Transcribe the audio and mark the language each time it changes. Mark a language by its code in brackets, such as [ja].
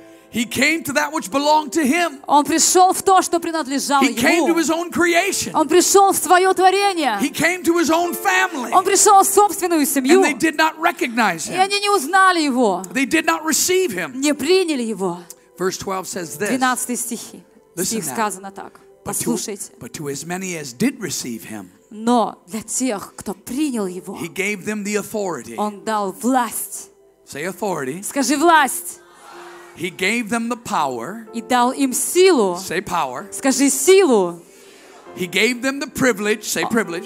[en] He came to that which belonged to him. [ru] Он пришел в то, что принадлежало ему. [en] He came to his own creation. [ru] Он пришел в свое творение. [en] He came to his own family. [ru] Он пришел в собственную семью. [en] And they did not recognize him. [ru] И они не узнали его. [en] They did not receive him. [ru] Не приняли его. [en] Verse 12 says this. [ru] 12 стихи. Стих сказано так. Послушайте. [en] But to as many as did receive him. [ru] Но для тех, кто принял его. [en] He gave them the authority. [ru] Он дал власть. [en] Say authority. [ru] Скажи власть. [en] He gave them the power. [ru] И дал им силу. [en] Say power. [ru] Скажи силу. [en] He gave them the privilege. Say privilege.